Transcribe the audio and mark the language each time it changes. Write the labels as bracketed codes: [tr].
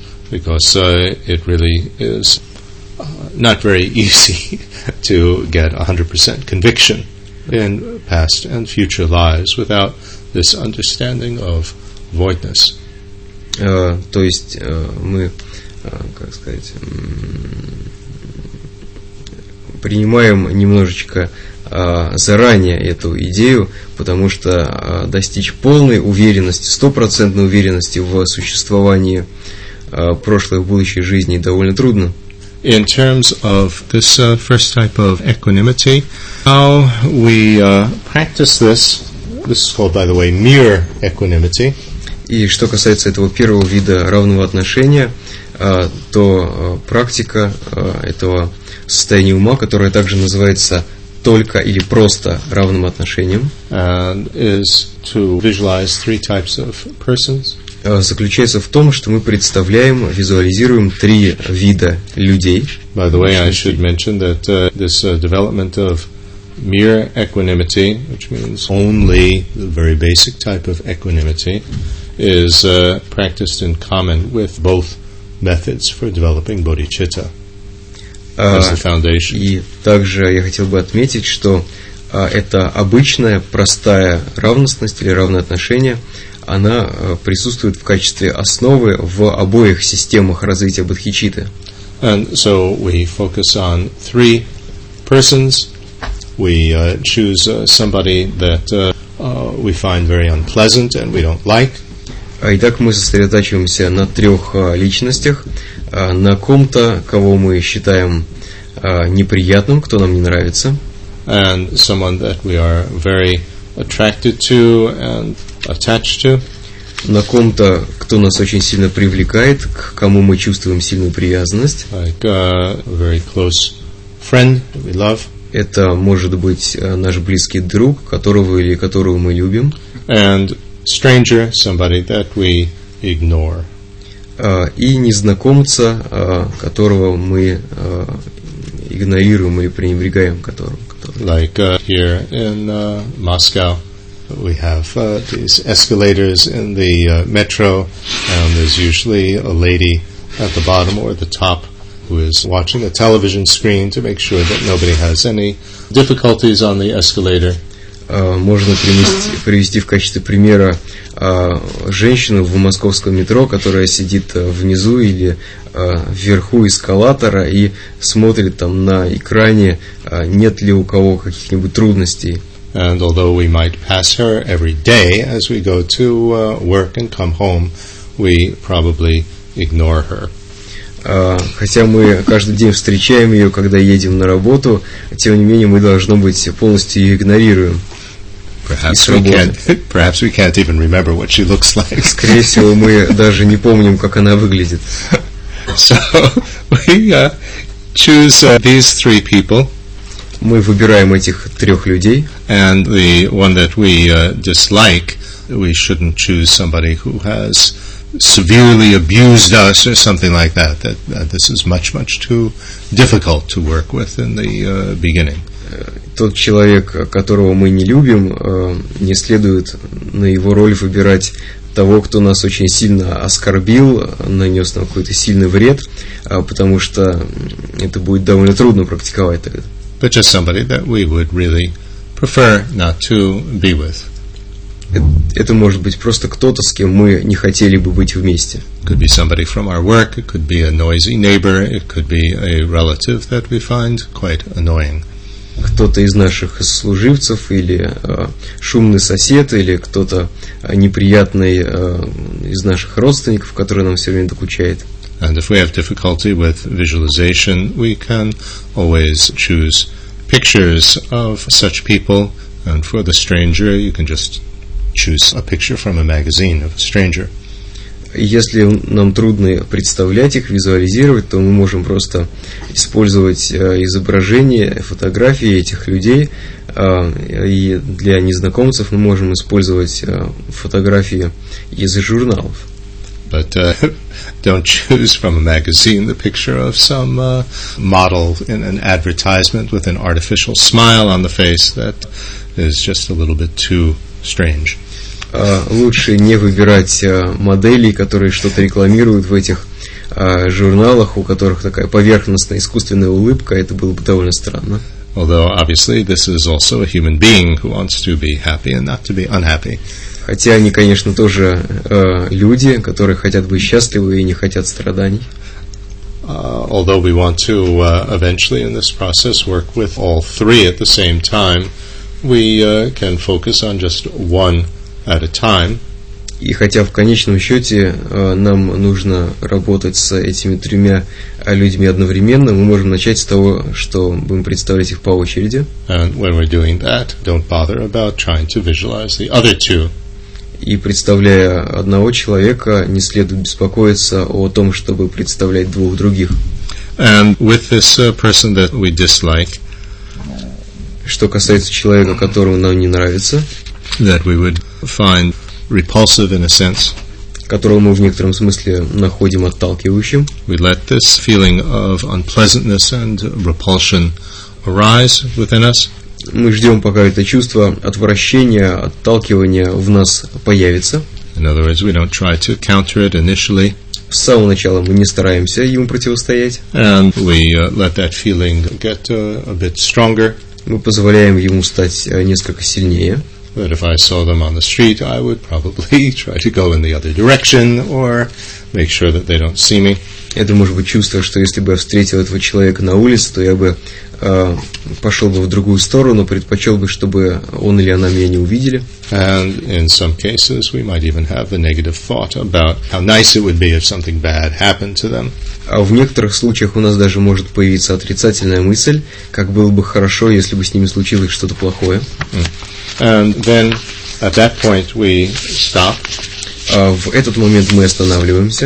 [en] Because it really is not very easy to get 100% conviction in past and future lives without this understanding of voidness. [ru] То есть мы, как сказать, принимаем немножечко заранее эту идею, потому что достичь полной уверенности, стопроцентной уверенности в существовании прошлой и будущей жизни довольно трудно. [en] In terms of this first type of equanimity, how we practice this, this is called, by the way, mere equanimity. [ru] И что касается этого первого вида равного отношения, то практика этого состояния ума, которое также называется только или просто равным отношением, [en] and is to visualize three types of persons, [ru] заключается в том, что мы представляем, визуализируем три вида людей. [en] By the way, I should mention that this development of mere equanimity, which means only the very basic type of equanimity, is practiced in common with both methods for developing bodhicitta as the foundation. [ru] И также я хотел бы отметить, что это обычная простая равностность или равное отношение, она присутствует в качестве основы в обоих системах развития бодхичитты. [en] And so we focus on three persons. we choose somebody that we find very unpleasant and we don't like. [ru] Итак, мы сосредотачиваемся на трех личностях, на ком-то, кого мы считаем неприятным, кто нам не нравится. [en] And someone that we are very attracted to and attached to. [ru] На ком-то, кто нас очень сильно привлекает, к кому мы чувствуем сильную привязанность. [en] Like a very close friend that we love. [ru] Это может быть наш близкий друг, которого или которую мы любим. [en] And stranger, somebody that we ignore. [ru] И незнакомца, которого мы игнорируем или пренебрегаем, которым. [en] Like here in Moscow, we have these escalators in the metro, and there's usually a lady at the bottom or the top who is watching a television screen to make sure that nobody has any difficulties on the escalator. [ru] Можно привести в качестве примера женщину в московском метро, которая сидит внизу или вверху эскалатора и смотрит там на экране, нет ли у кого каких-нибудь трудностей. [en] And although we might pass her every day as we go to work and come home, we probably ignore her. [ru] Хотя мы каждый день встречаем ее, когда едем на работу, тем не менее мы, должно быть, полностью ее игнорируем. [en] Perhaps we can't even remember what she looks like. [ru] Скорее всего, мы даже не помним, как она выглядит. [en] So we choose these three people. [ru] Мы выбираем этих трех людей. [en] And the one that we dislike, we shouldn't choose somebody who has severely abused us or something like that. That this is much, much too difficult to work with in the beginning. [ru] Тот человек, которого мы не любим, не следует на его роль выбирать того, кто нас очень сильно оскорбил, нанес нам какой-то сильный вред, потому что это будет довольно трудно практиковать тогда. [en] But just somebody that we would really prefer not to be with. [ru] Это может быть просто кто-то, с кем мы не хотели бы быть вместе. [en] Could be somebody from our work, it could be a noisy neighbor, it could be a relative that we find quite annoying. [ru] Кто-то из наших служивцев или шумный сосед или кто-то неприятный из наших родственников, который нам все время докучает. [en] And if we have difficulty with visualization, we can always choose pictures of such people. And for the stranger, you can just choose a picture from a magazine of a stranger. [ru] Если нам трудно представлять их, визуализировать, то мы можем просто использовать изображения, фотографии этих людей, и для незнакомцев мы можем использовать фотографии из журналов. [en] But don't choose from a magazine the picture of some model in an advertisement with an artificial smile on the face. That is just a little bit too strange. [ru] Лучше не выбирать моделей, которые что-то рекламируют в этих журналах, у которых такая поверхностная искусственная улыбка, это было бы довольно странно. [en] Although, obviously, this is also a human being who wants to be happy and not to be unhappy. [ru] Хотя они, конечно, тоже люди, которые хотят быть счастливы и не хотят страданий. [en] Although we want to eventually in this process work with all three at the same time, we can focus on just one at a time. [ru] И хотя в конечном счете нам нужно работать с этими тремя людьми одновременно, мы можем начать с того, что будем представлять их по очереди. [en] And when we're doing that, don't bother about trying to visualize the other two. [ru] И представляя одного человека, не следует беспокоиться о том, чтобы представлять двух других. [en] And with this person that we dislike, [ru] что касается человека, которого нам не нравится, [en] that we would find repulsive in a sense, [ru] которого мы в некотором смысле находим отталкивающим. [en] We let this feeling of unpleasantness and repulsion arise within us. [ru] Мы ждем, пока это чувство отвращения, отталкивания в нас появится. [en] In other words, we don't try to counter it initially. [ru] С самого начала мы не стараемся ему противостоять. [en] And we let that feeling get a bit stronger. [ru] Мы позволяем ему стать несколько сильнее. [en] That if I saw them on the street, I would probably try to go in the other direction or make sure that they don't see me. [ru] Это может быть чувство, что если бы я встретил этого человека на улице, то я бы пошел бы в другую сторону, предпочел бы, чтобы он или она меня не увидели. [en] And in some cases we might even have a negative thought about how nice it would be if something bad happened to them. [ru] А в некоторых случаях у нас даже может появиться отрицательная мысль, как было бы хорошо, если бы с ними случилось что-то плохое. [en] And then at that point we stop. [ru] В этот момент мы останавливаемся.